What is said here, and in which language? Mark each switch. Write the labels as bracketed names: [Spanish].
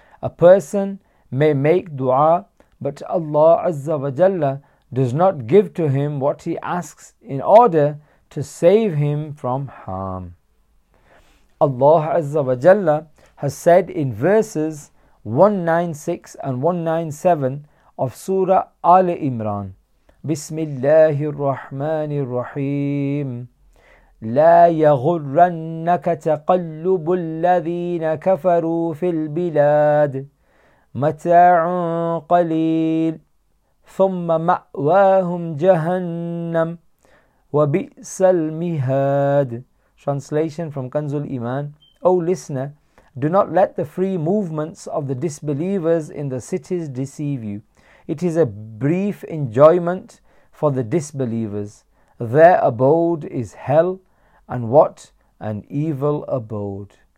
[English] A person may make dua, but Allah Azza wa Jalla does not give to him what he asks in order to save him from harm. Allah Azza wa Jalla has said in verses 196 and 197 of Surah Ali Imran, Bismillahir Rahmanir Rahim. [Arabic] لا يغرنك تقلب الذين كفروا في البلاد متاع قليل ثم مأواهم جهنم وبئس المهاد. [English] Translation from Kanzul Iman. O listener, do not let the free movements of the disbelievers in the cities deceive you. It is a brief enjoyment for the disbelievers. Their abode is hell, and what an evil abode.